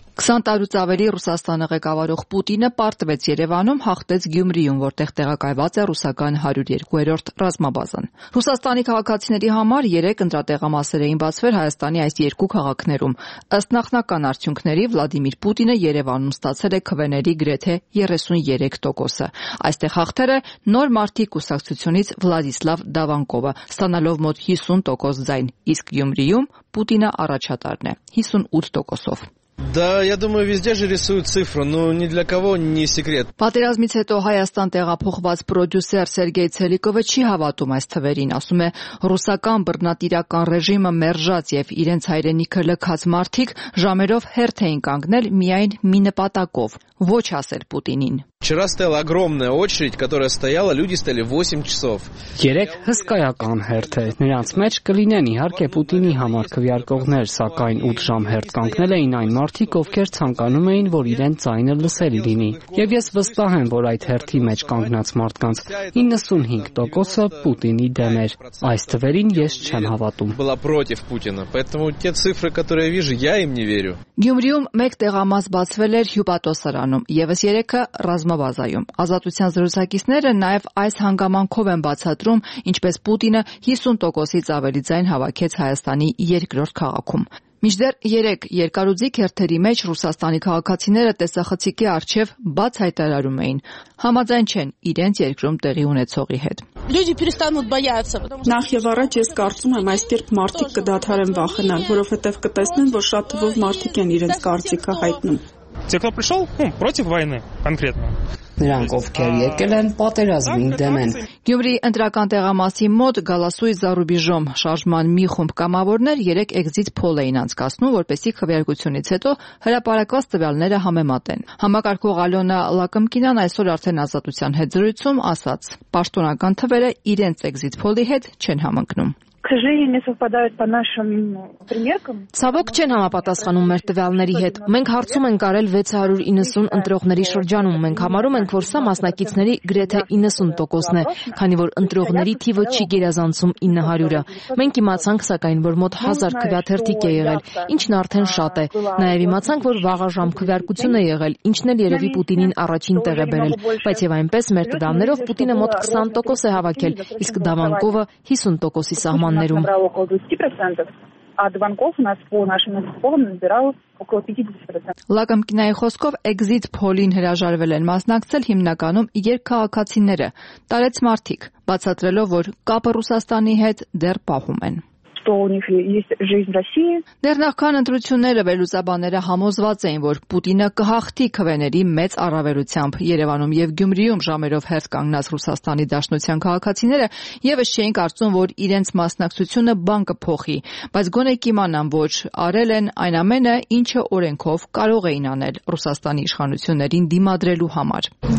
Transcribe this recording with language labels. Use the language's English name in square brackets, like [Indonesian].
[Armenian] 20 տարուց ավելի Ռուսաստանը ղեկավարող Պուտինը պարտվեց Երևանում, հաղթեց Գյումրիում, որտեղ տեղակայված է ռուսական 102-րդ ռազմաբազան։ Ռուսաստանի քաղաքացիների համար 3 ընդրատեղամասեր էին բացվել Հայաստանի այս երկու քաղաքներում։ Ըստ նախնական արդյունքների Վլադիմիր Պուտինը Երևանում ստացել է քվեների գրեթե 33%-ը։ Այստեղ հաղթել է նոր մարտի կուսակցությունից Վլադիսլավ Դավանկովը, ստանալով մոտ 50% ձայն, իսկ Գյումրիում Պուտինը առաջատարն է 58%-ով։ [Russian] Да, я думаю, везде же рисуют цифру, но ни для кого не секрет. [Armenian] Պատերազմից հետո Հայաստան տեղափոխված պրոդյուսեր Սերգեյ Ցելիկովը չի հավատում այս թվերին, ասում է, ռուսական բռնատիրական ռեժիմը մերժած եւ իրենց հայրենիքը լքած մարդիկ ժամերով հերթ էին կանգնել միայն մի նպատակով՝ ոչ ասել Պուտինին։ [Russian] Вчера стояла огромная очередь, которая стояла, люди стояли 8 часов. [Armenian] Երեք հսկայական հերթ է, նրանց մեջ կլինեն իհարկե Պուտինի համար քվեարկողներ, սակայն 8 ժամ հերթ կանգնել էին այն մարդիկ, ովքեր ցանկանում էին, որ իրեն ցայնը լսելի լինի։ Եվ ես վստահ եմ, որ այդ հերթի մեջ կանգնած մարդկանց 95%-ը Պուտինի դեմ էր։ Այս թվերին ես չեմ հավատում։ [Russian] Была против Путина, поэтому те цифры, которые я вижу, я им не верю. [Armenian] Գյումրիում մեկ տեղամաս բացվել էր հյուպատոսարանում, եւս 3-ը ռազմաբազայում։ Ազատության զրուցակիցները նաեւ այս հանգամանքով են բացատրում, ինչպես Պուտինը 50%-ից ավելի ձայն հավաքեց Հայաստանի երկրորդ քաղաքում։ Միջդեռ 3 երկարուձիկ հերթերի մեջ ռուսաստանի քաղաքացիները տեսախցիկի առջև բաց հայտարարում էին, համաձայն չեն իրենց երկրում տեղի ունեցողի հետ։ [Russian] Люди перестанут бояться, потому что [Armenian] Нах я вара ես կարծում եմ, այսերբ մարդիկ կդադարեն վախենալ, որովհետև կտեսնեն, որ շատ թվով մարդիկ են իրենց կարծիքը հայտնում։ [Russian] Те, кто пришёл, против войны конкретно. [Armenian] Նրանք, ովքեր եկել են, պատերազմին դեմ են։ Գյումրի ընտրական տեղամասի մոտ Գալասուի Զարուբիժոմ շարժման մի խումբ կամավորներ 3 էքզիտ փոլ էին անցկացնում, որպեսզի քվեարկությունից հետո հրապարակված տվյալները համեմատեն։ Համակարգող Ալոնա Լակմկինան այսօր արդեն ազատության հետ զրույցում ասաց. «Պաշտոնական թվերը իրենց էքզիտ փոլի հետ չեն համընկնում»։ Ցավոք չեն համապատասխանում մեր տվյալների հետ։ Մենք հարցում ենք արել 690 ընտրողների շրջանում։ Մենք համարում ենք, որ սա մասնակիցների գրեթե 90%-ն է, քանի որ ընտրողների թիվը չի գերազանցում 900-ը։ Մենք իմացանք, սակայն, որ մոտ 1000 քվեաթերթիկ է եղել, ինչն արդեն շատ է։ Նաև իմացանք, որ վաղաժամ քվեարկություն է եղել, ինչն էլ երևի Պուտինին առաջին տեղ է բերել, բայց եւ այնպես մեր տվյալներով Պուտինը մոտ 20% է հավաքել, իսկ Դավանկովը 50%-ի սահմանում։ [Russian] Набрал около 20%, а Дванков у нас по нашим инструкторам набирал около 50%. [Armenian] Լակմկինայի խոսքով էքզիտ փոլին հրաժարվել են մասնակցել հիմնականում երկխաղաքացիները, տարեց մարդիկ, բացատրելով, որ կապը Ռուսաստանի հետ դեռ պահում են։ Դեռ նախքան ընտրությունները վերլուծաբանները համոզված էին, որ Պուտինը կհաղթի քվեների մեծ առավելությամբ Երևանում եւ Գյումրիում ժամերով հերթ կանգնած Ռուսաստանի Դաշնության քաղաքացիները եւս չէին կարծում, որ իրենց մասնակցությունը բան կփոխի, բայց գոնե կիմանան, որ արել են այն ամենը, ինչը օրենքով կարող էին անել Ռուսաստանի իշխանություններին դիմադրելու համար։